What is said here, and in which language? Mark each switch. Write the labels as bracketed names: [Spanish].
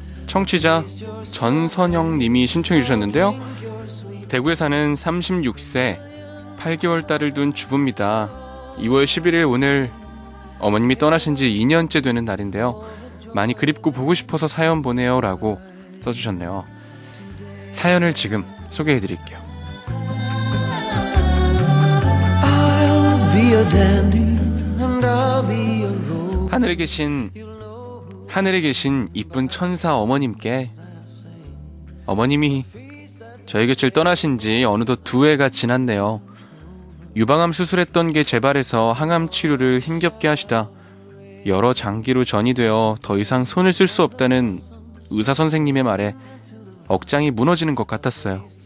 [Korean] 청취자 전선영님이 신청해 주셨는데요, 대구에 사는 36세 8개월 딸을 둔 주부입니다. 2월 11일 오늘 어머님이 떠나신 지 2년째 되는 날인데요, 많이 그립고 보고 싶어서 사연 보내요 라고 써주셨네요. 사연을 지금 소개해 드릴게요. [English] I'll be a dandy and I'll be a rogue. [Korean] 하늘에 계신 이쁜 천사 어머님께, 어머님이 저희 곁을 떠나신 지 어느덧 두 해가 지났네요. 유방암 수술했던 게 재발해서 항암 치료를 힘겹게 하시다 여러 장기로 전이 되어 더 이상 손을 쓸 수 없다는 의사 선생님의 말에 억장이 무너지는 것 같았어요.